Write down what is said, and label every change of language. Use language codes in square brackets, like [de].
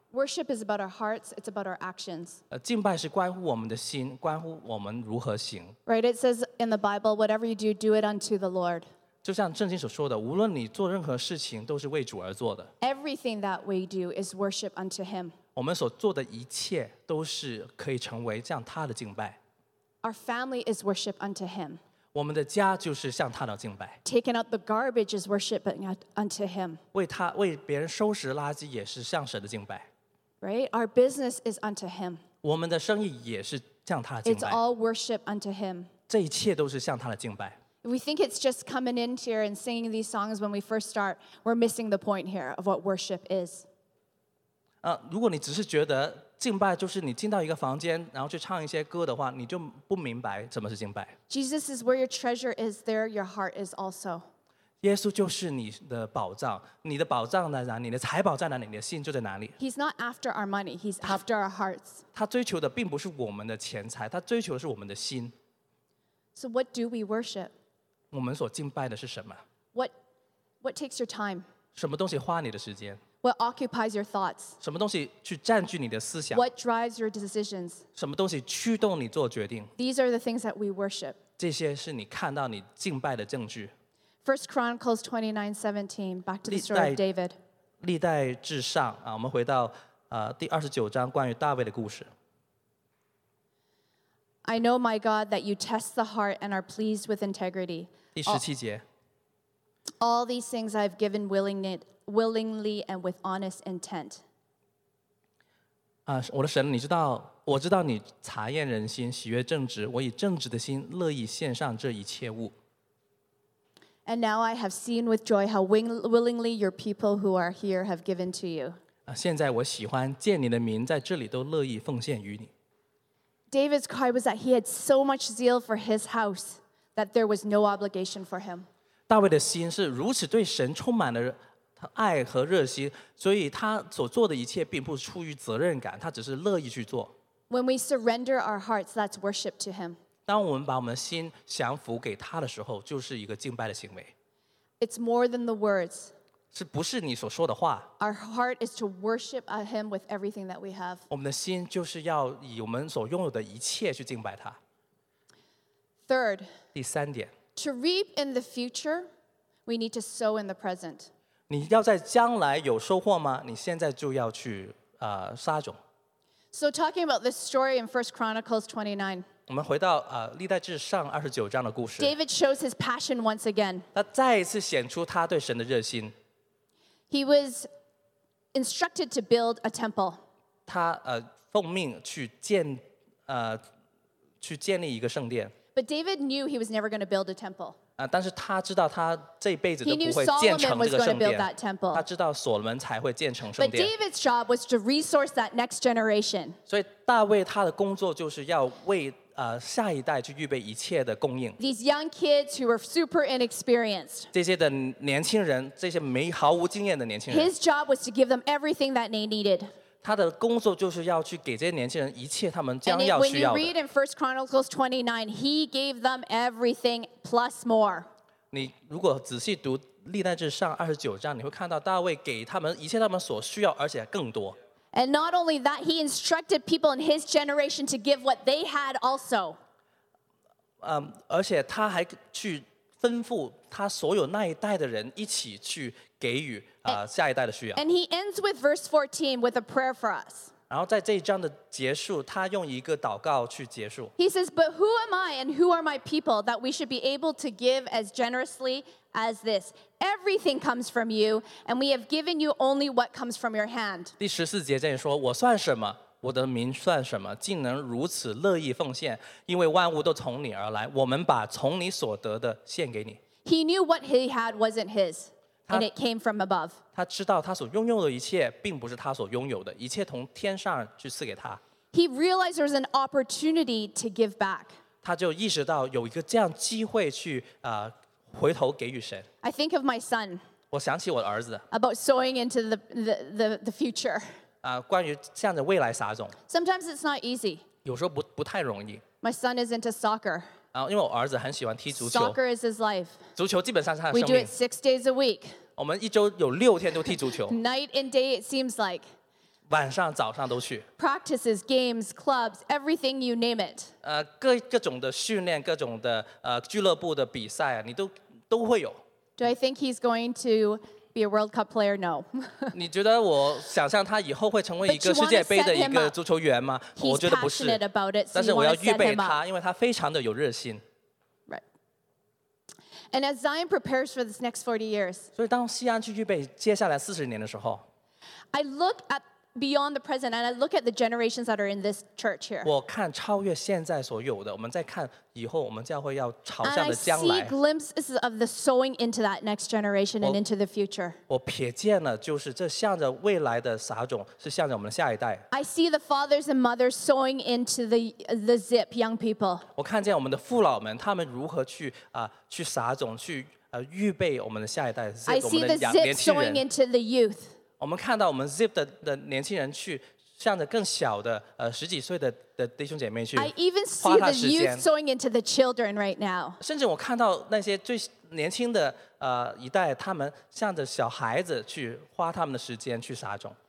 [en] Worship is about our hearts, it's about our actions. [zh] 敬拜是关乎我们的心，关乎我们如何行。 [en] Right, it says in the Bible, whatever you do, do it unto the Lord. [zh] 就像圣经所说的，无论你做任何事情都是为主而做的。 [en] Everything that we do is worship unto him. [zh] 我们所做的一切都是可以成为向他的敬拜。 [en] Our family is worship unto him. [zh] 我们的家就是向他的敬拜。 [en] Taking out the garbage is worship unto him. [zh] 为别人收拾垃圾也是向神的敬拜。 [en] Right? Our business is unto him. [zh] 我们的生意也是向他的敬拜。 [en] It's all worship unto him. [zh] 这一切都是向他的敬拜。 [en] We think it's just coming in here and singing these songs when we first start. We're missing the point here of what worship is. [zh] 如果你只是觉得敬拜就是你进到一个房间然后去唱一些歌的话，你就不明白怎么是敬拜。 [en] Jesus is where your treasure is, there your heart is also. [zh] 耶稣就是你的宝藏，你的宝藏在哪里，你的财宝在哪里，你的心就在哪里。 [en] He's not after our money, he's after our hearts. [zh] 他追求的并不是我们的钱财，他追求的是我们的心。 [en] So what do we worship? [zh] 我们所敬拜的是什么？ [en] What takes your time? [zh] 什么东西花你的时间？ [en] What occupies your thoughts? [zh] 什么东西去占据你的思想？ [en] What drives your decisions? [zh] 什么东西驱动你做决定？ [en] These are the things that we worship. [zh] 这些是你看到你敬拜的证据。 [en] First Chronicles 29:17, back to the story of David. [zh] 历代至上，我们回到第29章关于大卫的故事。 [en] I know, my God, that you test the heart and are pleased with integrity. [zh] 第17节。 [en] All these things I've given willingly, willingly and with honest intent. [zh] 我的神，你知道，我知道你查验人心，喜悦正直，我以正直的心乐意献上这一切物。 [en] And now I have seen with joy how willingly your people who are here have given to you. [zh] 现在我喜欢见你的名在这里都乐意奉献于你。 [en] David's cry was that he had so much zeal for his house that there was no obligation for him. [zh] 大卫的心是如此对神充满了爱和热心，所以他所做的一切并不出于责任感，他只是乐意去做。 [en] When we surrender our hearts, that's worship to him. [zh] 当我们把我们心降服给他的时候，就是一个敬拜的行为。 [en] It's more than the words. [zh] 是不是你所说的话？ [en] Our heart is to worship him with everything that we have. [zh] 我们的心就是要以我们所拥有的一切去敬拜他。 [en] Third. [zh] 第三点。 [en] To reap in the future, we need to sow in the present. [zh] 你要在将来有收获吗？你现在就要去撒种。 [en] So talking about this story in 1 Chronicles 29, [zh] 我们回到历代志上29章的故事。 [en] David shows his passion once again. [zh] 他再一次显出他对神的热心。 [en] He was instructed to build a temple. [zh] 他奉命去建立一个圣殿。 [en] But David knew he was never going to build a temple. [zh] 但是他知道他这一辈子都不会建成这个圣殿。他知道所罗门才会建成圣殿。 [en] But David's job was to resource that next generation. [zh] 所以大卫他的工作就是要为下一代去预备一切的供应。 [en] These young kids who were super inexperienced. [zh] 这些的年轻人，这些没毫无经验的年轻人。 [en] His job was to give them everything that they needed. [zh] 他的工作就是要去给这些年轻人一切他们将要需要的。 [en] And when you read in 1 Chronicles 29, he gave them everything plus more. [zh] 你如果仔细读历代志上二十九章，你会看到大卫给他们一切他们所需要，而且更多。 [en] And not only that, he instructed people in his generation to give what they had also. [zh] 而且他还去吩咐他所有那一代的人一起去给予下一代的需要。 [en] And he ends with verse 14 with a prayer for us. [zh] 然后在这一章的结束，他用一个祷告去结束。 [en] He says, "But who am I and who are my people that we should be able to give as generously as this? Everything comes from you, and we have given you only what comes from your hand." [zh] 第十四节这里说，我算什么？我的民算什么？竟能如此乐意奉献？因为万物都从你而来，我们把从你所得的献给你。 [en] He knew what he had wasn't his. And it came from above. [zh] 他知道他所拥有的一切并不是他所拥有的，一切从天上去赐给他。 [en] He realized there was an opportunity to give back. [zh] 他就意识到有一个这样机会去回头给予神。 [en] I think of my son. [zh] 我想起我儿子。 [en] About sowing into the future. [zh] 关于向着未来撒种。 [en] Sometimes it's not easy. [zh] 有时候不太容易。 [en] My son is into soccer. [zh] 因为我儿子很喜欢踢足球。 [en] Soccer is his life. [zh] 足球基本上是他的生命。 [en] We do it 6 days a week. [zh] 我们一周有六天都踢足球。 [en] Night and day, it seems like. [zh] 晚上、早上都去。 [en] Practices, games, clubs, everything you name it. [zh] 各种的训练，各种的俱乐部的比赛，你都会有。 [en] Do I think he's going to be a World Cup player? No. [zh] 你觉得我想象他以后会成为一个世界杯的一个足球员吗？我觉得不是。 [en] He's passionate about it, so you want to set him up. [zh] 但是我要预备他，因为他非常的有热心。 [en] And as Zion prepares for this next 40 years, [zh] 所以当锡安去预备接下来四十年的时候， [en] I look at beyond the present and I look at the generations that are in this church here. [zh] 我看超越现在所有的，我们再看以后我们教会要朝向的将来。 [en] And I see glimpses of the sowing into that next generation and into the future. [zh] 我瞥见了，就是这向着未来的撒种，是向着我们的下一代。 [en] I see the fathers and mothers sowing into the zip young people. [zh] 我看见我们的父老们，他们如何去去撒种，去预备我们的下一代。 [en] I see the zip sowing into the youth. [zh] 我们看到我们 Zip 的年轻人去向着更小的十几岁的弟兄姐妹去花他时间。 [en] I even see the youth sowing into the children right now. [zh] 甚至我看到那些最年轻的一代，他们向着小孩子去花他们的时间去撒种。